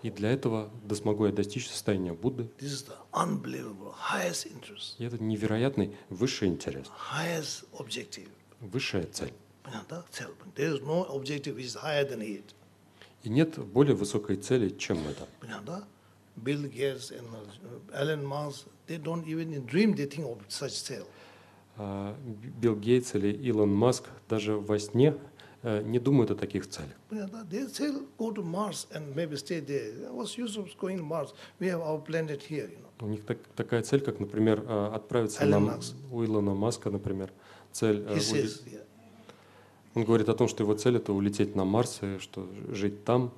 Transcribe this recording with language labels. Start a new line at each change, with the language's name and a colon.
Russian: И для этого, да смогу я достичь состояния Будды.
English: This is the unbelievable highest interest.
Russian: И это невероятный высший интерес.
English: Highest objective.
Russian: Высшая цель.
English: There is no objective which is higher than it.
Russian: И нет более высокой цели, чем это.
English: Bill Gates and Elon Musk, they don't even dream they think of such cell.
Russian: Билл Гейтс или Илон Маск даже во сне не думают о таких целях. У них такая цель, как, например, отправиться на Марс. У Илона Маска, например, цель. Он говорит о том, что его цель — это улететь на Марс, и что жить там.